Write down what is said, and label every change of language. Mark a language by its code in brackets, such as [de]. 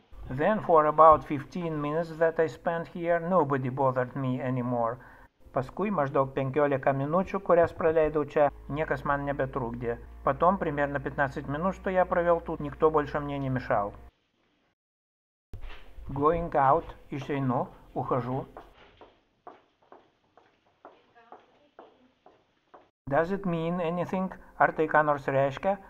[en] Then for about 15 minutes that I spent here, nobody bothered me anymore. [lt] Paskui maždaug 15 minučių, kurias praleidau čia, niekas man nebetrukdė. [ru] Потом примерно 15 минут, что я провел тут, никто больше мне не мешал. [en] Going out, [lt] išeinu, [ru] ухожу. [en] Does it mean anything? [lt] Ar tai ką nors reiškia?